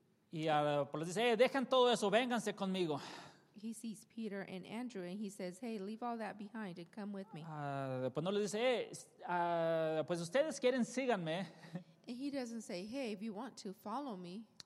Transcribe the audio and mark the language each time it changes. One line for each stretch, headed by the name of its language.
Spanish: Y pues les dice, hey, dejen todo eso, vénganse conmigo.
English: He sees Peter and Andrew and he says, hey, leave all that behind and come with me.
Spanish: Pues no le dice, hey, pues ustedes quieren, síganme.
English: And he doesn't say, hey, if you want to, follow me.